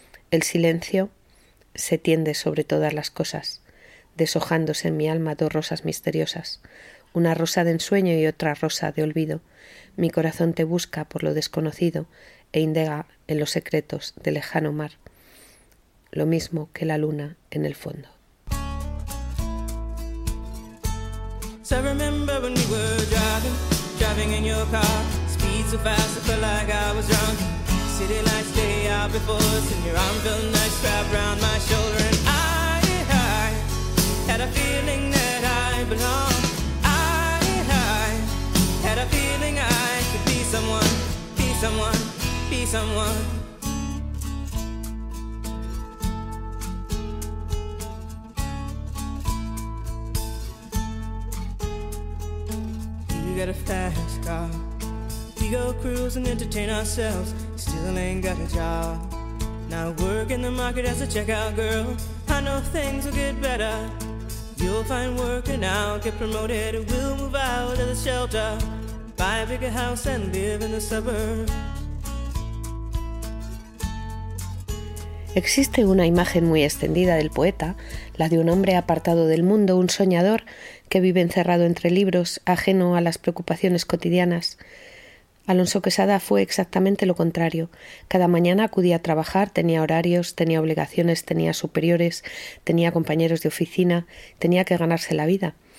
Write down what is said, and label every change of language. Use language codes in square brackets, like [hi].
[es] El silencio se tiende sobre todas las cosas, deshojándose en mi alma dos rosas misteriosas, una rosa de ensueño y otra rosa de olvido. Mi corazón te busca por lo desconocido e indaga en los secretos del lejano mar, lo mismo que la luna en el fondo. [en] So I remember when we were driving in your car, speed so fast I felt like I was drunk. City lights day out before us, and your arm felt nice wrapped around my shoulder, and I had a feeling that I belonged. I had a feeling I could be someone, be someone, be someone. Got a fast car, we go cruise and entertain ourselves, still ain't got a job. Now work in the market as a checkout girl, I know things will get better. You'll find work and I'll get promoted, we'll move out of the shelter, buy a bigger house and live in the suburbs. [es] Existe una imagen muy extendida del poeta, la de un hombre apartado del mundo, un soñador que vive encerrado entre libros, ajeno a las preocupaciones cotidianas. Alonso Quesada fue exactamente lo contrario. Cada mañana acudía a trabajar, tenía horarios, tenía obligaciones, tenía superiores, tenía compañeros de oficina, tenía que ganarse la vida.